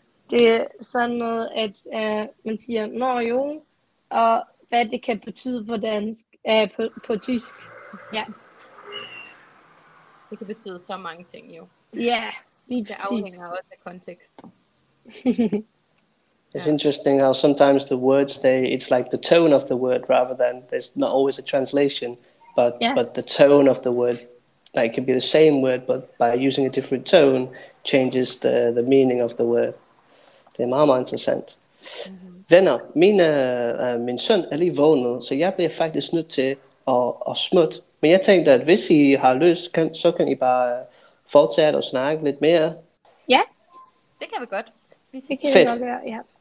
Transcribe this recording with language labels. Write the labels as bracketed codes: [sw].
[da] Det er sådan noget, at man siger nå jo, og hvad det kan betyde på dansk. På tysk. Ja. Det kan betyde så mange ting jo. Ja, lige præcis. Det afhænger også af kontekst. [en] It's interesting how sometimes the words they, it's like the tone of the word rather than, there's not always a translation, but the tone of the word, like it can be the same word, but by using a different tone changes the meaning of the word. [da] Det er meget, meget interessant. Venner, min søn er lige vågnet, så jeg bliver faktisk nødt til at smutte. Men jeg tænkte, at hvis I har lyst, så kan I bare fortsætte og snakke lidt mere. Ja, det kan vi godt. Fedt. Ja.